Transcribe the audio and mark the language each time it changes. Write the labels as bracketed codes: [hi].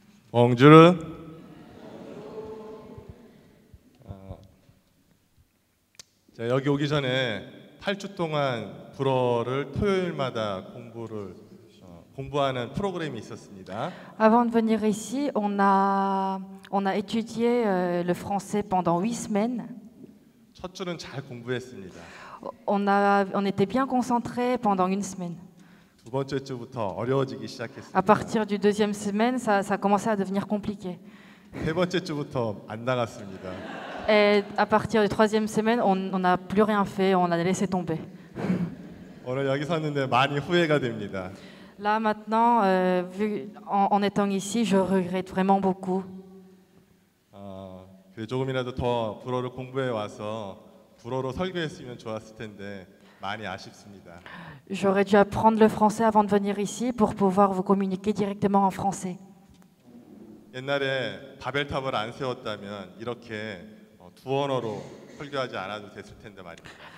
[ko] 봉주를 제가 여기 오기 전에 8주 동안 불어를 토요일마다 공부를 공부하는 프로그램이 있었습니다. [fr] Avant de venir ici, on a étudié le français pendant 8 semaines. [ko] 첫 주는 잘 공부했습니다. [fr] On était bien concentré pendant une semaine. [ko] 두 번째 주부터 어려워지기 시작했습니다. [fr] À partir du deuxième semaine, ça commençait à devenir compliqué. [ko] 세 번째 주부터 안 나갔습니다. [fr] Et à partir du troisième semaine, on n'a plus rien fait, on a laissé tomber. [ko] 오늘 여기 섰는데 많이 후회가 됩니다. [fr] Là maintenant, en étant ici, je regrette vraiment beaucoup. [ko] 그래 조금이라도 더 불어를 공부해 와서 불어로 설교했으면 좋았을 텐데 많이 아쉽습니다. [fr] J'aurais dû apprendre le français avant de venir ici pour pouvoir vous communiquer directement en français. [ko] 옛날에 바벨탑을 안 세웠다면 이렇게 두 언어로 설교하지 않아도 됐을 텐데 말입니다.